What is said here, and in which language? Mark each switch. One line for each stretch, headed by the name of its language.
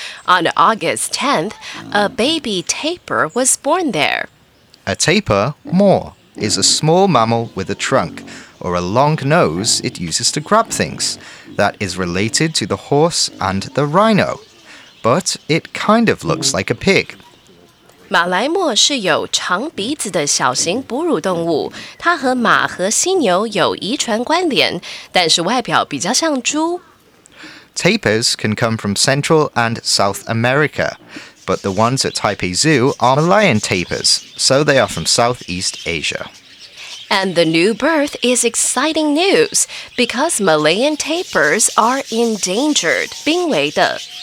English: On August 10th, a baby tapir was born there. A tapir, mo, is a small mammal with a trunk, or a long nose it uses to grab things, that is related to the horse and the rhino. But it kind of looks like a pig.
Chinese: 马来貘是有长鼻子的小型哺乳动物，它和马和犀牛有遗传关联，但是外表比较像猪。
English: Tapirs can come from Central and South America, but the ones at Taipei Zoo are Malayan tapirs, so they are from Southeast Asia. And the new birth is exciting news, because Malayan tapirs are endangered,
Chinese: 濒危的。